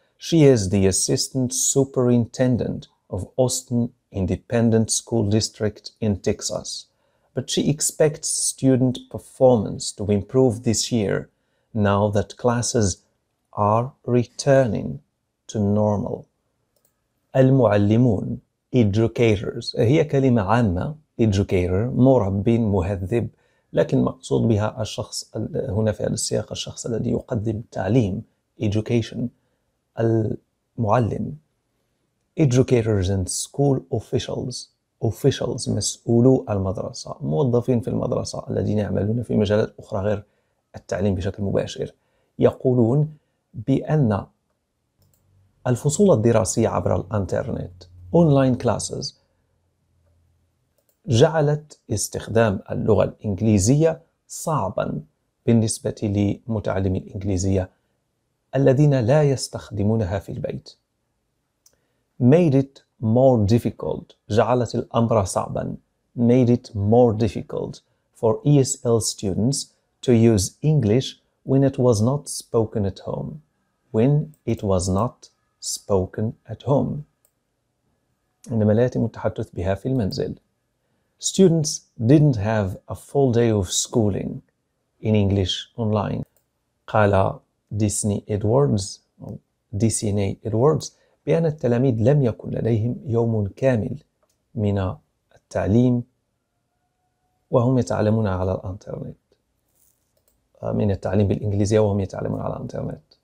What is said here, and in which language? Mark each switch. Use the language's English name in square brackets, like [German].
[English] She is the assistant superintendent of Austin Independent School District in Texas. But she expects student performance to improve this year, now that classes are returning to normal. [Arabic] المعلمون, educators, هي كلمة عامة, educator, مربي, مهذب, لكن مقصود بها الشخص هنا في هذا السياق, الشخص الذي يقدم تعليم, education, المعلم. Educators and school officials, officials, مسؤولو المدرسة, موظفين في المدرسة الذين يعملون في مجالات أخرى غير التعليم بشكل مباشر, يقولون بأن الفصول الدراسية عبر الانترنت, [English] online classes, [Arabic] جعلت استخدام اللغة الإنجليزية صعبا بالنسبة لمتعلمي الإنجليزية الذين لا يستخدمونها في البيت. [English] Made it more difficult, [Arabic] جعلت الأمر صعبا. [English] Made it more difficult for ESL students to use English when it was not spoken at home. When it was not spoken at home. [Arabic] عندما لا يتم التحدث بها في المنزل. [English] Students didn't have a full day of schooling in English online. [Arabic] قال ديسني إدواردز, DCNA إدواردز, بأن التلاميذ لم يكن لديهم يوم كامل من التعليم وهم يتعلمون على الانترنت, من التعليم بالإنجليزية وهم يتعلمون على الانترنت.